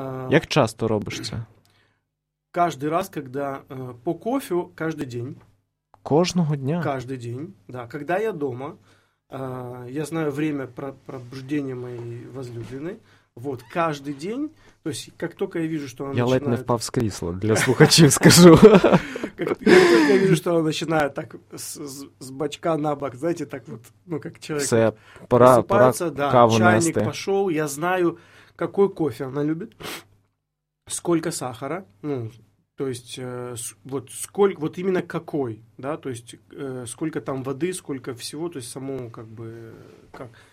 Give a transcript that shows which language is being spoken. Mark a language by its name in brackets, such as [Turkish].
[Ukrainian] Як часто робиш це? [Russian] Каждый раз, когда по кофе, каждый день. Кожного дня? Каждый день, да. Когда я дома, я знаю время пробуждения моей возлюбленной. Вот, каждый день, то есть как только я вижу, что она начинает... [Ukrainian] Я ледь не впав с кресла, для слухачів скажу. [Russian] Как только я вижу, что она начинает так с бачка на бок, знаете, так вот, ну как человек... Все, пора каву нести. Чайник пошел, я знаю, какой кофе она любит. Сколько сахара, ну, то есть, вот сколько, вот именно какой, да, то есть, сколько там воды, сколько всего, то есть, само, как бы, как.